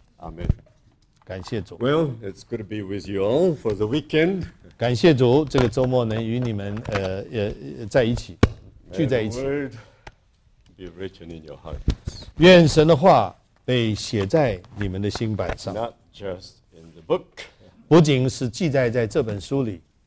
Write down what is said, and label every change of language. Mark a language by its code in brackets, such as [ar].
[zh] 阿门。感谢主。 [en] Well, it's good to be with you all for the weekend. [zh] 感谢主，这个周末能与你们在一起，聚在一起。 [en] Word be written in your heart. [zh] 愿神的话被写在你们的心板上。 [en] Not just in the book. [zh] 不仅是记载在这本书里